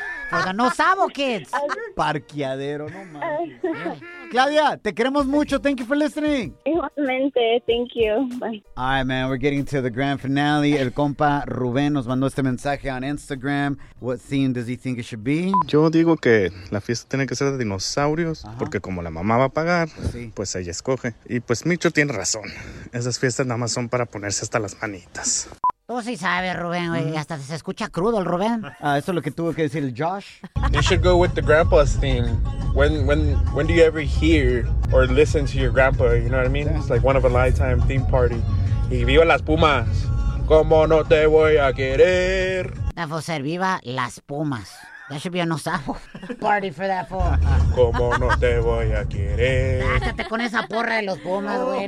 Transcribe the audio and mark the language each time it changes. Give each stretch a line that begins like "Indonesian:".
English: For the no sabo kids.
Spanish: Parqueadero, no mames. Claudia, te queremos mucho.
English: Thank you for listening.
Spanish: Igualmente.
English: Thank you. Bye. All right, man. We're getting to the grand finale.
Spanish: El compa Rubén nos mandó este mensaje
English: on Instagram. What theme does he think it should be?
Spanish: Yo digo que la fiesta tiene que ser de dinosaurios. Ajá. Porque como la mamá va a pagar, pues, sí, pues ella escoge. Y pues Micho tiene razón. Esas fiestas nada más son para ponerse hasta las manitas. Tú sí sabes, Rubén, güey. Mm-hmm. Hasta se escucha crudo el Rubén. Eso es lo que tuvo que decir el Josh.
English: You should go with the grandpa's theme. When do you ever hear or listen to your grandpa? You know what I mean? Yeah. It's like one of a lifetime theme party.
Spanish: Y viva las pumas. Como no te voy a querer.
English: That will ser viva las pumas. That should be a no sabo party for that fool.
Spanish: Como no te voy a querer. Lájate con esa porra de los pumas, güey.